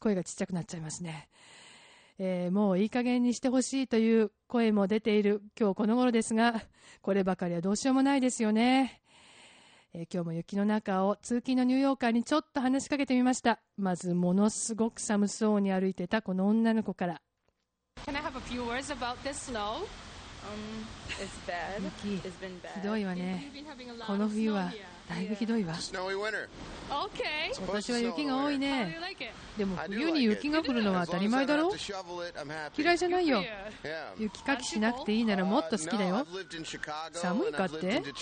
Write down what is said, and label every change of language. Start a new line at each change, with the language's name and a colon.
Japanese: 声がちっちゃくなっちゃいますね。もういい加減にしてほしいという声も出ている今日この頃ですが、こればかりはどうしようもないですよね。今日も雪の中を通勤のニューヨーカーにちょっと話しかけてみました。まずものすごく寒そうに歩いてたこの女の子から。
English: Can I have a few words about this snow? It's bad.
Japanese: 雪、
English: It's been bad.
Japanese: ひどいわね。この冬はだいぶひどいわ。
English: Snowy winter. Okay.
Japanese: 今年は雪が多いね。
English: How do you like it?
Japanese: でも冬に雪が降るのは当たり前だろ。嫌いじゃないよ。雪かきしなくていいならもっと好きだよ。寒いかって？